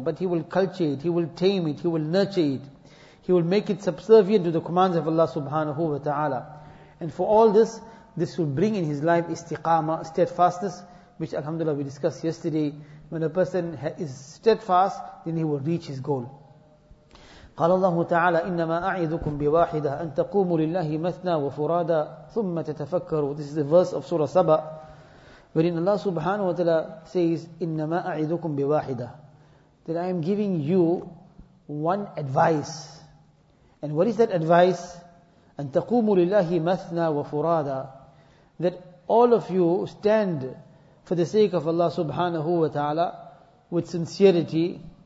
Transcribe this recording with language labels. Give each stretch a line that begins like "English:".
English: But he will culture it, he will tame it, he will nurture it. He will make it subservient to the commands of Allah subhanahu wa ta'ala. And for all this, this will bring in his life istiqamah, steadfastness, which alhamdulillah we discussed yesterday. When a person is steadfast, then he will reach his goal.
Arabic: قال الله تعالى إنما أعيذكم بواحدة أن تقوموا لله مثنى وفرادى ثم تتفكروا.
English: This is the verse of Surah Saba, wherein Allah subhanahu wa ta'ala says,
Arabic: إنما أعيذكم بواحدة,
English: that I am giving you one advice. And what is that advice?
Arabic: أن تقوموا لله مثنى وفرادى,
English: that all of you stand for the sake of Allah subhanahu wa ta'ala with sincerity.